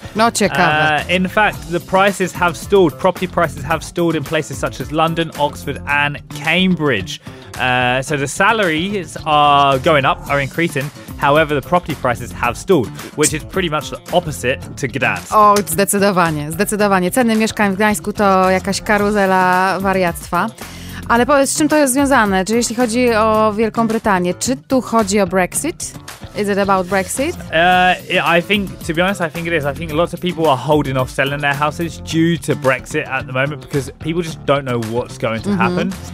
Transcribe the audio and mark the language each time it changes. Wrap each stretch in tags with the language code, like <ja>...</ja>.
<pl>No, ciekawe.</pl> <en>In fact, the prices have stalled. Property prices have stalled in places such as London, Oxford and Cambridge. So the salaries are going up, are increasing. However, the property prices have stalled, which is pretty much the opposite to Gdańsk.</en> <pl>O, zdecydowanie, zdecydowanie. Ceny mieszkań w Gdańsku to jakaś karuzela wariactwa. Ale powiedz, z czym to jest związane? Czy jeśli chodzi o Wielką Brytanię, czy tu chodzi o Brexit?</pl> <en>Is it about Brexit? I think it is. I think lots of people are holding off selling their houses due to Brexit at the moment because people just don't know what's going to happen.</en>